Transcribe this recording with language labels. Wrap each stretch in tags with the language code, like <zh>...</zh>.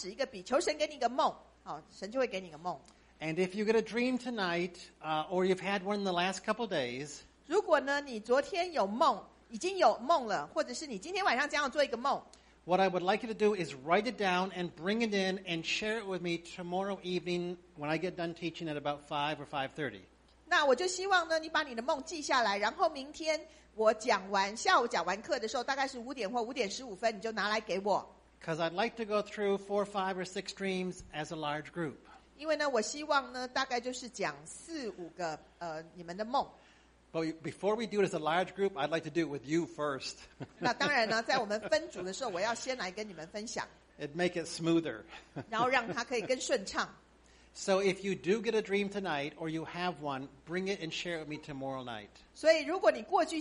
<zh>那呢，很简单，你就是在这个床旁边、床头柜上放一张纸、一个笔，求神给你个梦，神就会给你个梦。</zh> <en>And if you get a dream tonight, or you've had one in the last couple of days,</en> <zh>如果呢，你昨天有梦，已经有梦了，或者是你今天晚上将要做一个梦。</zh> <en>What I would like you to do is write it down and bring it in and share it with me tomorrow evening when I get done teaching at about 5 or 5:30.</en> <zh>那我就希望呢，你把你的梦记下来，然后明天我讲完下午讲完课的时候，大概是5点或5点15分，你就拿来给我。</zh> <en>Because I'd like to go through 4, 5, or 6 dreams as a large group.</en> <zh>因为呢，我希望呢，大概就是讲4, 5个你们的梦。</zh> <en>But before we do it as a large group, I'd like to do it with you first.</en> <zh>那当然呢，在我们分组的时候，我要先来跟你们分享。</zh> <en>It make it smoother.</en> <zh>然后让它可以更顺畅。</zh> <en>So if you do get a dream tonight, or you have one, bring it and share it with me tomorrow night.</en>